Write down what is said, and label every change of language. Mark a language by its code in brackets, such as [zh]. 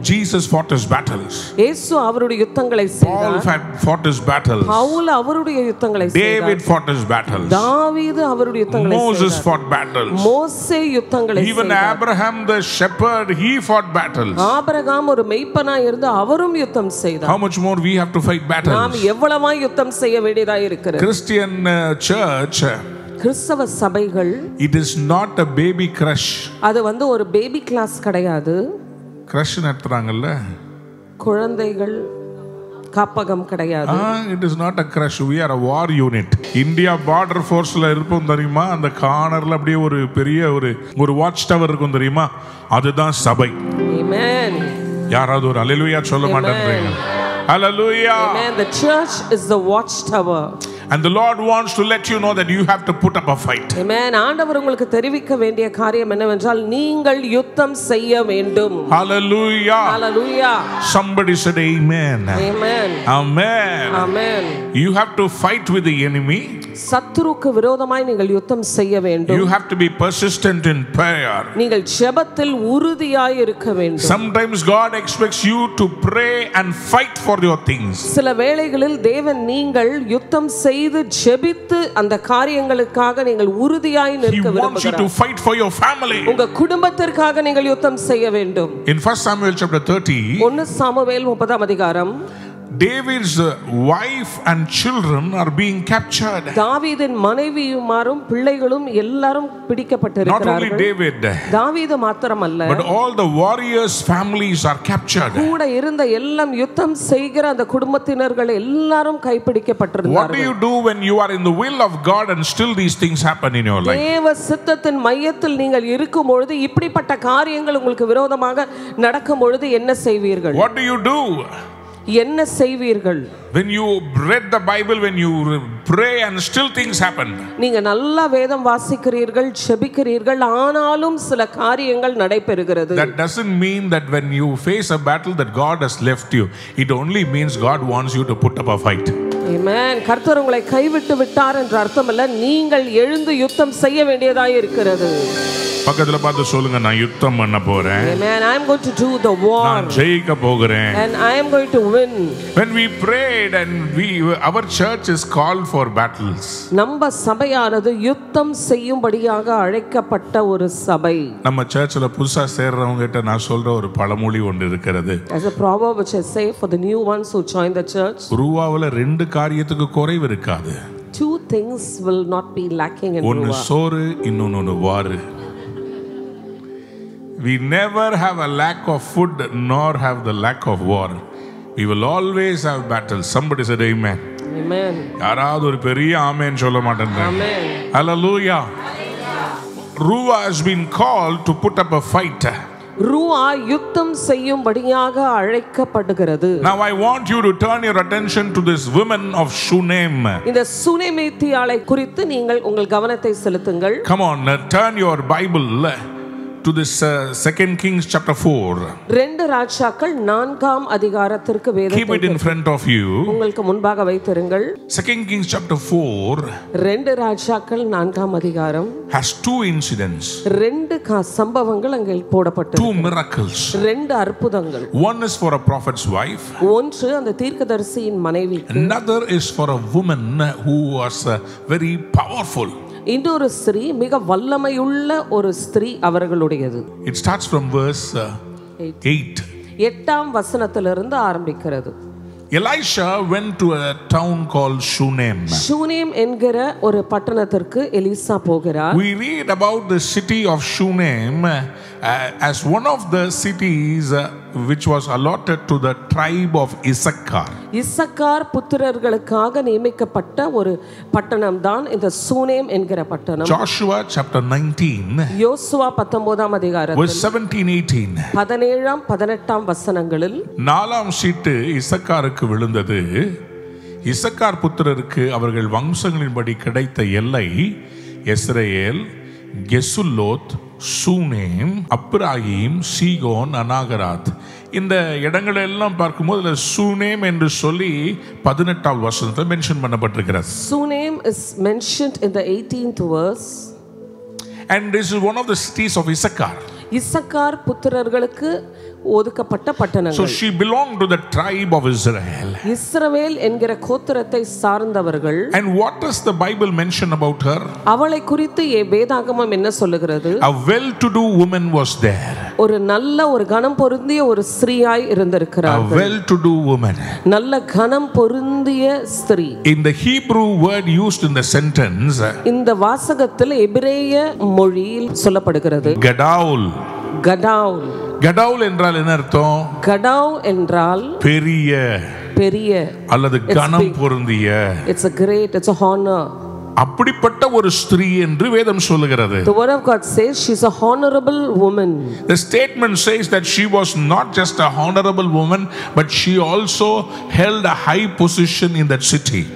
[en] Jesus fought his battles. [ta] இயேசு அவருடைய யுத்தங்களை செய்தார். [en] Paul fought his battles. [ta] Pavul அவருடைய யுத்தங்களை செய்தார். [en] David fought his battles. [ta] தாவீது அவருடைய யுத்தங்களை செய்தார். [en] Moses fought battles. [ta] மோசே யுத்தங்களை செய்தார். [en] Even Abraham the shepherd, he fought battles. [ta] Abraham ஒரு மேய்ப்பனாய் இருந்து அவரும் யுத்தம் செய்தார். [en] How much more we have to fight battles. [ta] நாம் எவ்வளவு யுத்தம் செய்ய வேண்டியதாய் இருக்கிறது. [en] Christian church, [ta] கிறிஸ்தவ சபைகள், [en] it is not a baby crush. [ta] அது வந்து ஒரு பேபி கிளாஸ் கிடையாது. கிரஷ் நடத்துறாங்கல்ல குழந்தைகள் காப்பகம் கிடையாது. [en] It is not a crush. We are a war unit. [ta] India border forceல இருப்போம் தெரியுமா? அந்த கார்னர்ல அப்படியே ஒரு பெரிய ஒரு வாட்ச் டவர் இருக்கும் தெரியுமா? அதுதான் சபை. [en] Amen. [ta] யாராவது ஒரு அல்லேலூயா சொல்ல மாட்டேங்கிறீங்க. [en] Hallelujah. Amen. The church is the watch tower. And the Lord wants to let you know that you have to put up a fight. Amen. [ta] ஆண்டவர் உங்களுக்கு தெரிவிக்க வேண்டிய காரியம் என்னவென்றால், நீங்கள் யுத்தம் செய்ய வேண்டும். [en] Hallelujah. Hallelujah. Somebody said amen. Amen. Amen. Amen. You have to fight with the enemy. [ta] சத்துருக்கு விரோதமாய் நீங்கள் யுத்தம் செய்ய வேண்டும். [en] You have to be persistent in prayer. [ta] நீங்கள் ஜெபத்தில் உறுதியாய் இருக்க வேண்டும். [en] Sometimes God expects you to pray and fight for your things. [ta] சில வேளைகளில் தேவன் நீங்கள் யுத்தம் செய்து ஜெபித்து அந்த காரியங்களுக்காக நீங்கள் உறுதியாய் நிற்க விரும்புகிறார். [en] He wants you to fight for your family. [ta] உங்க குடும்பத்திற்காக நீங்கள் யுத்தம் செய்ய வேண்டும். [en] In 1 Samuel chapter 30. [ta] 1 சாமுவேல் 30 அதிகாரம். [en] David's wife and children are being captured. [ta] தாவீதின் மனைவியும் மாறும் பிள்ளைகளும் எல்லாரும் பிடிக்கப்பட்டிருக்கிறார்கள். [en] Not only David. [ta] தாவீது மட்டுமல்ல. [en] But all the warriors' families are captured. [ta] கூட இருந்த எல்லாம் யுத்தம் செய்கிற அந்த குடும்பத்தினர்கள் எல்லாரும் கைப்பிடிக்கப்பட்டிருந்தார்கள். [en] What do you do when you are in the will of God and still these things happen in your life? [ta] தேவ சித்தத்தின் மையத்தில் நீங்கள் இருக்கும் பொழுது இப்படிப்பட்ட காரியங்கள் உங்களுக்கு விரோதமாக நடக்கும் பொழுது என்ன செய்வீர்கள்? [en] What do you do? [ta] என்ன செய்வீர்கள்? [en] When you read the Bible, when you pray and still things happen. [ta] நீங்க நல்ல வேதம் வாசிக்கிறீர்கள், ஜெபிக்கிறீர்கள், ஆனாலும் சில காரியங்கள் நடைபெறுகிறது. [en] That doesn't mean that when you face a battle that God has left you. It only means God wants you to put up a fight. Amen. [ta] கர்த்தர் உங்களை கைவிட்டு விட்டார் என்ற அர்த்தமல்ல, நீங்கள் எழுந்து யுத்தம் செய்ய வேண்டியதாய் இருக்கிறது. பக்கத்துல பார்த்து சொல்லுங்க, நான் யுத்தம் பண்ண போறேன். [en] Amen. I am going to do the war. [ta] நான் ஜெயிக்க போகிறேன். [en] And I am going to win. When we prayed and we our church is called for battles. [ta] நம்ம சபையானது யுத்தம் செய்யும்படியாக அழைக்கப்பட்ட ஒரு சபை. நம்ம சர்ச்சல புதுசா சேர்றவங்க கிட்ட நான் சொல்ற ஒரு பழமொழி ஒன்று இருக்குது. [en] As a proverb which I say for the new ones who join the church. [ta] குருவாவல ரெண்டு காரியத்துக்கு குறைவு இருக்காது. [en] Two things will not be lacking in you. [ta] ஒன்னு சோறு, இன்னொன்னு வாறு. [en] We never have a lack of food nor have the lack of war. We will always have battles. Somebody said amen. Amen. [ta] யாராவது ஒரு பெரிய ஆமென் சொல்ல மாட்டேன். [en] Amen. Hallelujah. Ruah has been called to put up a fight. [ta] ரூஆ யுத்தம் செய்யும்படியாக அழைக்கப்படுகிறது. [en] Now I want you to turn your attention to this woman of Shunem. [ta] இந்த சுனேமேத்தியாளை குறித்து நீங்கள் உங்கள் கவனத்தை செலுத்துங்கள். [en] Come on, turn your Bible to this Second Kings chapter 4. [ta] ரெண்டு ராஜாக்கள் நான்காம் அதிகாரத்திற்கு வேதத்தை [en] Keep it in front of you. [ta] உங்களுக்கு முன்பாக வைத்திருங்கள். [en] Second Kings chapter 4. [ta] ரெண்டு ராஜாக்கள் நான்காம் அதிகாரம் [en] has two incidents. [ta] ரெண்டு சம்பவங்கள் அங்கே போடப்பட்டது. [en] Two miracles. [ta] ரெண்டு அற்புதங்கள். [en] One is for a prophet's wife. [ta] ஒன்று அந்த தீர்க்கதரிசியின் மனைவி. [en] Another is for a woman who was very powerful. [ta] இன்னொரு ஸ்திரீ மிக வல்லமையுள்ள ஒரு ஸ்திரீ அவர்களுடையது. [en] It starts from verse 8. [ta] எட்டாம் வசனத்திலிருந்து ஆரம்பிக்கிறது. [en] Elisha went to a town called Shunem. [ta] Shunem என்கிற ஒரு பட்டணத்திற்கு எலிசா போகிறார். [en] We read about the city of Shunem as one of the cities which was allotted to the tribe of Issachar. [ta] Issachar புத்திரர்களுக்காக நியமிக்கப்பட்ட ஒரு பட்டணம் தான் இந்த சூனேம் என்கிற பட்டணம். Joshua chapter 19. யோசுவா 19 அதிகாரம் verse 17-18. 17ஆம் 18ஆம் வசனங்களில் நாலாம் சீட்டு இசக்காருக்கு விழுந்தது. இசக்கார் புத்திரருக்கு அவர்கள் வம்சங்களின்படி கிடைத்த எல்லை இஸ்ரவேல், கெசுல்லோத், சூனேம், அப்ராயிம், சீகோன், அனாகராத். இந்த இடங்களை எல்லாம் பார்க்கும்போது அதுல சூனேம் என்று சொல்லி 18th வசனத்தை mention பண்ணப்பட்டிருக்கிறது. [en] Shunem is mentioned in the 18th verse. And this is one of the cities of Issachar. [ta] Issachar புத்திரர்களுக்கு ஒதுக்கப்பட்ட பட்டணங்கள். [en] So she belonged to the tribe of Israel. [ta] இஸ்ரவேல் என்கிற கோத்திரத்தை சார்ந்தவர்கள். [en] And what does the Bible mention about her? [ta] அவளை குறித்து வேதாகமம் என்ன சொல்கிறது? [en] A well to do woman was there. [ta] ஒரு நல்ல ஒரு கணம் பொருந்திய ஒரு ஸ்திரீயாய் இருந்திருக்கிறார். [en] A well to do woman. [ta] நல்ல கணம் பொருந்திய ஸ்திரீ. [en] In the Hebrew word used in the sentence. [ta] இந்த வாசகத்தில் எபிரேய மொழியில் சொல்லப்படுகிறது. [he] Gadol. Gadol. [ta] கடவுள் என்றால் என்ன அர்த்தம்? கடவுள் என்றால் பெரிய, பெரிய அல்லது கணம் பொருந்திய. [en] It's a great, it's a honor. [ta] அப்படிப்பட்ட ஒரு ஸ்திரீ என்று வேதம் சொல்கிறது. [en] The word of God says she is a honorable woman. The statement says that she was not just a honorable woman but she also held a high position in that city.